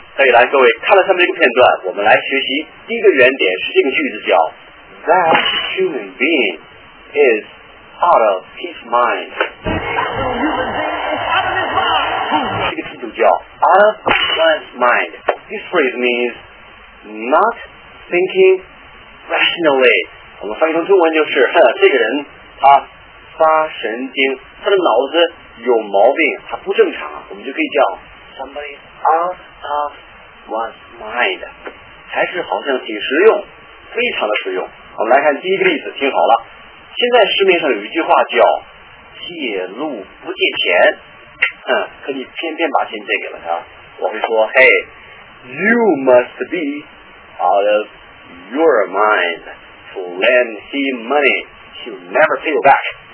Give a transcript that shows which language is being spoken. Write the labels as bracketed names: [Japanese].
[Chinese] 来各位看了他们这个片段，我们来学习第一个原点，是这个句子叫 [English] That human being is out of his mind。 [Chinese] 这个词组叫 [English] out of one's mind。 This phrase means not thinking rationally。 [Chinese] 我们翻译成中文就是这个人他发神经，他的脑子有毛病，他不正常，我们就可以叫 [English] somebody out of one's mind， [Chinese] 还是好像挺实用，非常的实用。我们来看第一个例子，听好了，现在市面上有一句话叫借路不借钱，可你偏偏把钱借给了他，我会说 [English] Hey， you must be out of your mind to lend him money， he'll never pay you back。